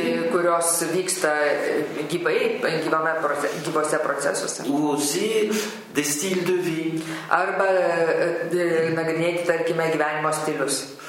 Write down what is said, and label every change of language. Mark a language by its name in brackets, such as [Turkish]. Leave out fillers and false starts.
[Lithuanian] kurios vyksta gyvai, gyvose procesuose. [French] Ou aussi des styles de vie. [Lithuanian] Arba nagrinėti, tarkime, gyvenimo stilius.